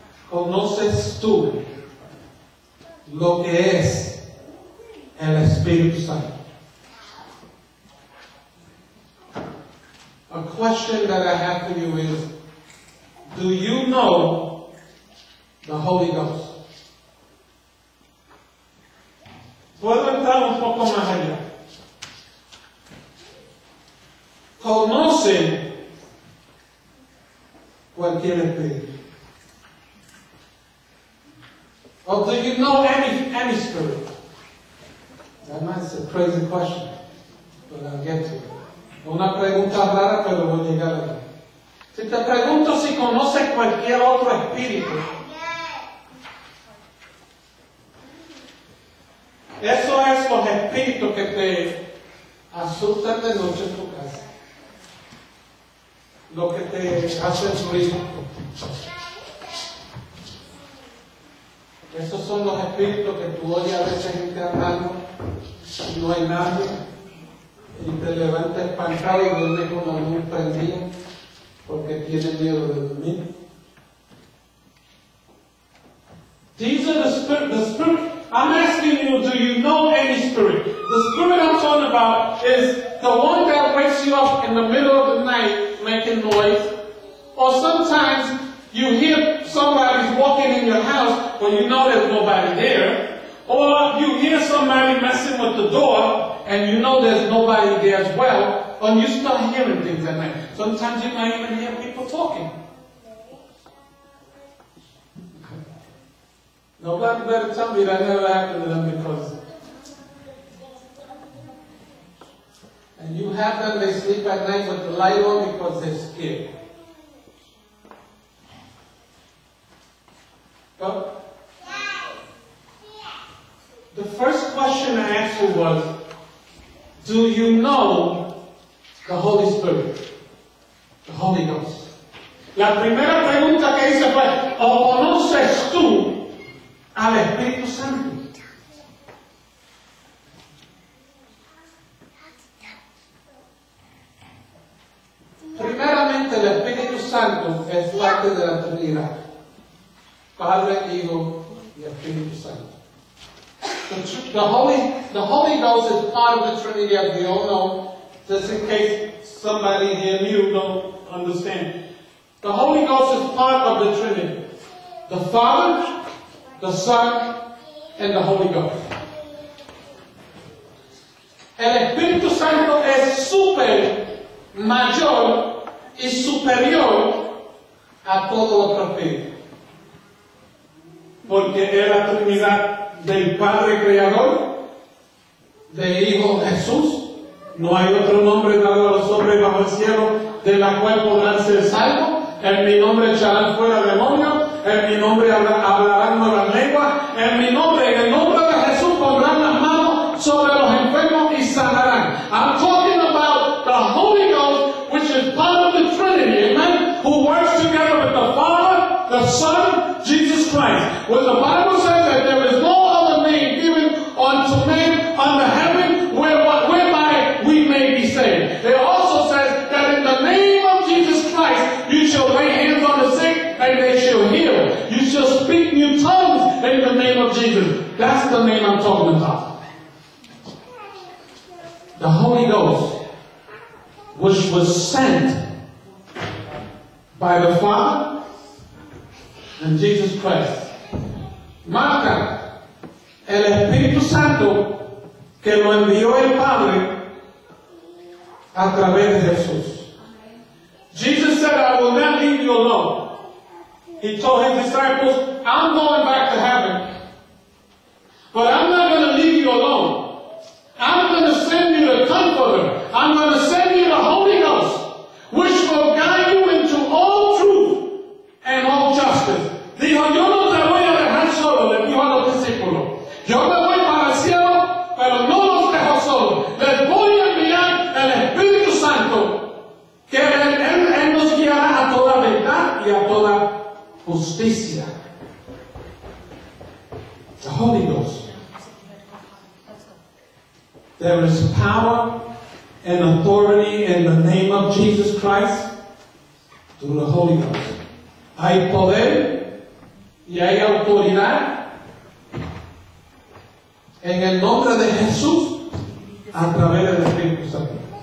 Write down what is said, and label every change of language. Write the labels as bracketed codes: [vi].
[es] ¿Conoces tú lo que es el Espíritu Santo? [en] A question that I have for you is, do you know the Holy Ghost? [es] ¿Puedo entrar un poco más allá? ¿Conocen cualquier espíritu? [en] Or do you know any spirit? That might be a crazy question, but I'll get to it. [es] Una pregunta rara, pero voy a llegar a ella. Si te pregunto si conoces cualquier otro espíritu, eso es los espíritus que te asustan de noche en tu casa. Lo que te hace ruido. Esos son los espíritus que tú oyes a veces encarnando y no hay nadie. Y te levantas espantado y duermes con la luz prendida porque tienes miedo de dormir. [en] These are the spirit. The spirit. I'm asking you, do you know any spirit? The spirit I'm talking about is the one that wakes you up in the middle of the night making noise. Or sometimes you hear somebody's walking in your house, but you know there's nobody there. Or you hear somebody messing with the door, and you know there's nobody there as well. And you start hearing things at night. Sometimes you might even hear people talking. Nobody better tell me that never happened to them because. And you have them, they sleep at night with the light on because they're scared. So, the first question I asked you was, do you know the Holy Spirit? The Holy Ghost. [es] La primera pregunta que hice fue, ¿o conoces tú al Espíritu Santo? Primeramente, el Espíritu Santo es parte de la Trinidad. Padre, Hijo, y Espíritu Santo. [en] The Holy Ghost is part of the Trinity, as we all know, just in case somebody here knew don't understand. The Holy Ghost is part of the Trinity. The Father, the Son, and the Holy Ghost. [es] El Espíritu Santo es super mayor y superior a todo otro espíritu. Porque es la Trinidad del Padre Creador, del Hijo Jesús. No hay otro nombre dado a los hombres bajo el cielo de la cual podrán ser salvos. En mi nombre echarán fuera demonios. En mi nombre hablarán nuevas lenguas. En mi nombre, en el nombre de Jesús, pondrán las manos sobre los enfermos y sanarán. [en] I'm talking about the Holy Ghost, which is part of the Trinity, amen, who works together with the Father, the Son, Jesus Christ. When the Bible says that there is no other name given unto men under heaven whereby we may be saved. It also says that in the name of Jesus Christ, you shall lay hands on the sick and they shall heal. You shall speak new tongues in the name of Jesus. That's the name I'm talking about. The Holy Ghost, which was sent by the Father and Jesus Christ. [es] Marca, el Espíritu Santo que lo envió el Padre a través de Jesús. [en] Jesus said, I will not leave you alone. He told his disciples, I'm going back to heaven, but I'm not going to leave you alone. I'm going to send you the Comforter. I'm going to send you the Holy Ghost, which will guide you into all truth and all justice. [es] Dijo, yo no te voy a dejar solo, le dijo a los discípulos. Yo me voy para el cielo, pero no los dejo solo. Les voy a enviar el Espíritu Santo, que él nos guiará a toda verdad y a toda justicia. [en] The Holy Ghost. There is power and authority in the name of Jesus Christ through the Holy Ghost. [es] Hay poder y hay autoridad en el nombre de Jesús a través del Espíritu Santo.